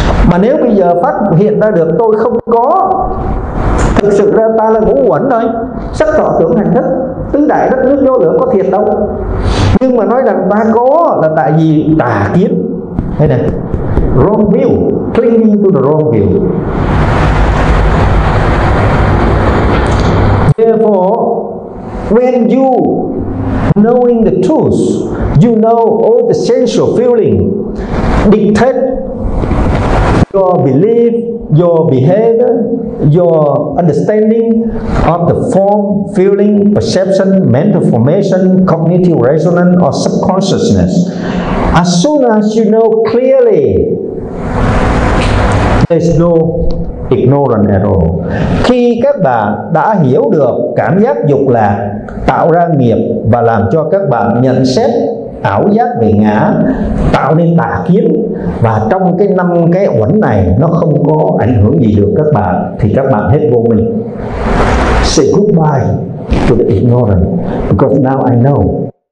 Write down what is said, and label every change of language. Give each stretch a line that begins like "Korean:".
Vietnamese: Mà nếu bây giờ phát hiện ra được tôi không có, thực sự ra ta là ngũ uẩn thôi, sắc thọ tưởng hành thức, tứ đại đất nước vô lượng có thiệt đâu. Nhưng mà nói rằng ta có là tại vì tà kiến, thế này,
English: wrong view, clinging to the wrong view. Therefore, when you knowing the truth, you know all the sensual feeling dictate your belief, your behavior, your understanding of the form, feeling, perception, mental formation, cognitive resonance, or subconsciousness. As soon as you know clearly, there's no ignorant at all.
Vietnamese: Khi các bạn đã hiểu được cảm giác dục lạc tạo ra nghiệp và làm cho các bạn nhận xét ảo giác về ngã, tạo nên tà kiến, và trong cái năm cái uẩn này nó không có ảnh hưởng gì được các bạn, thì các bạn hết vô minh.
English: Say goodbye to the ignorant, because now I know.